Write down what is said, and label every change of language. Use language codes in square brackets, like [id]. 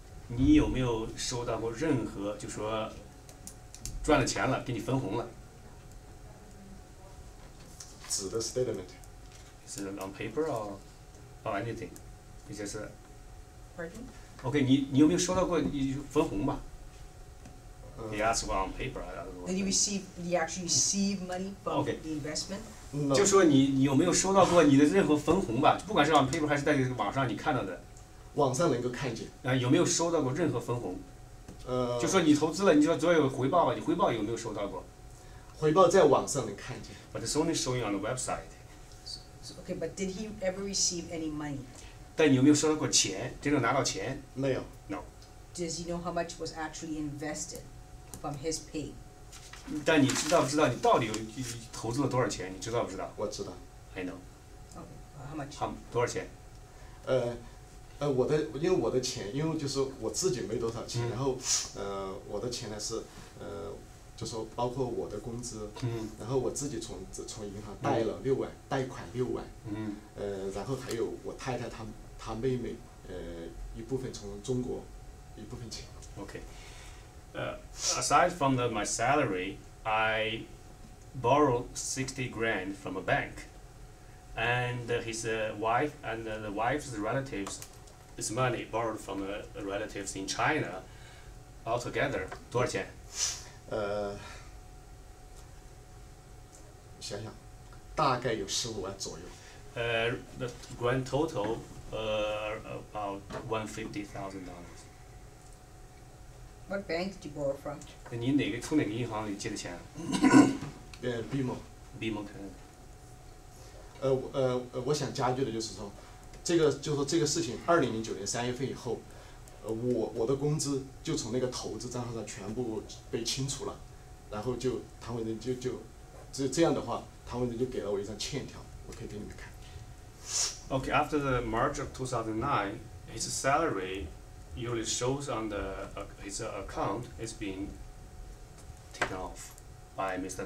[zh] 你有没有收到过任何就说赚了钱了，给你分红了？纸的 statement， [en] 是 on paper or anything， [zh] 也就是。 [en] Pardon？ [zh] OK， 你有没有收到过分红吧？ [en] He asked about on paper. Did you receive? Did you actually receive money from the investment? [zh] 就说你有没有收到过你的任何分红吧？不管是 [en] on paper [zh] 还是在网上你看到的。网上能够看见。啊，有没有收到过任何分红？就说你投资了，你说总有回报吧？你回报有没有收到过？回报在网上能看见。 [en] But it's only showing on the website. Okay, but did he ever receive any money? [zh] 但你有没有收到过钱？真正拿到钱？没有。 [en] No. Does he know how much was actually invested from his pay? [zh] 但你知道不知道你到底有投资了多少钱？你知道不知道？我知道。 [en] I know. Okay, how much? [zh] 多少钱？我的因为我的钱，因为就是我自己没多少钱，然后我的钱呢是就说包括我的工资，然后我自己从银行贷了六万，贷款六万，然后还有我太太她妹妹，一部分从中国，一部分钱。 [en] Okay. Aside from my salary, I borrowed $60,000 from a bank, and his wife and the wife's relatives. It's money borrowed from relatives in China altogether. [zh] 多少钱？想想，大概有15万左右。 [en] The grand total about $150,000. What bank did you borrow from? [zh] 你哪个从哪个银行里借的钱？ BMO。 BMO 可能。我想加剧的就是说。这个就是这个事情，2009年3月份以后，我的工资就从那个投资账号上全部被清除了，然后就唐伟仁就这样的话，唐伟仁就给了我一张欠条，我可以给你们看。 [en] Okay, after the March of 2009, his salary usually shows on the his account is being taken off by Mr.